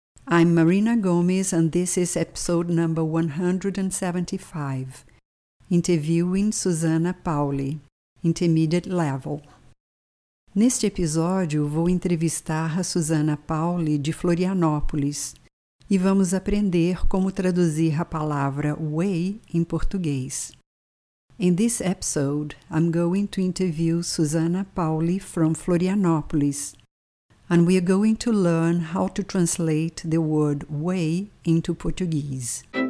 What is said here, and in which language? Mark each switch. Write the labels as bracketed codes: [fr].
[en] I'm Marina Gomes and this is episode number 175. Interviewing Susana Pauli, intermediate level. [pt] Neste episódio, vou entrevistar a Susana Pauli de Florianópolis e vamos aprender como traduzir a palavra way em português. [en] In this episode, I'm going to interview Susana Pauli from Florianópolis, and we are going to learn how to translate the word way into Portuguese.